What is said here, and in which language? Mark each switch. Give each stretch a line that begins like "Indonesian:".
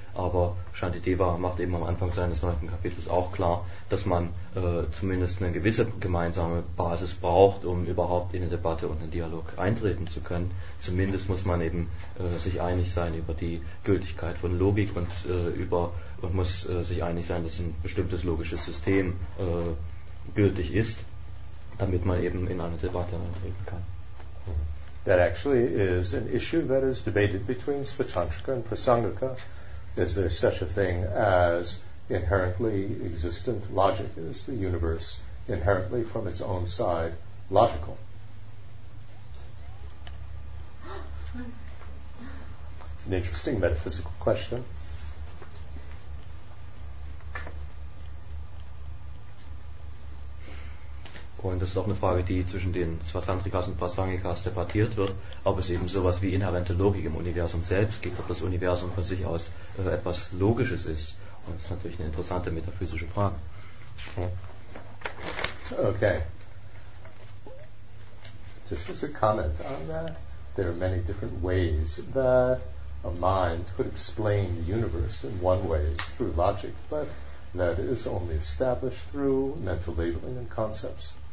German: Aber Shantideva macht eben am Anfang seines neunten Kapitels auch klar, dass man zumindest eine gewisse gemeinsame Basis braucht, um überhaupt in eine Debatte und einen Dialog eintreten zu können. Zumindest muss man eben sich einig sein über die Gültigkeit von Logik und sich einig sein, dass ein bestimmtes logisches System gültig ist, damit man eben in eine Debatte eintreten kann.
English: That actually is an issue that is debated between Svatantrika and Prasangika. Is there such a thing as inherently existent logic? Is the universe inherently from its own side logical? It's an interesting metaphysical question.
German: Und das ist auch eine Frage, die zwischen den Svatantrikas und Prasangikas debattiert wird, ob es eben sowas wie inhärente Logik im Universum selbst gibt, ob das Universum von sich aus etwas Logisches ist. Und das ist natürlich eine interessante metaphysische Frage. Okay.
English: Just as a comment on that, there are many different ways that a mind could explain the universe in one way is through logic, but that is only established through mental labeling and concepts.